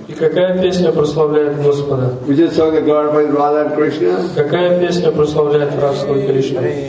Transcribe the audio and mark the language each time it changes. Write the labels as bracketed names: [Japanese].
[Russian] И какая песня прославляет Господа? [English] Which is that song that glorifies Radha and Krishna? [Russian] Какая песня прославляет Радху и Кришну?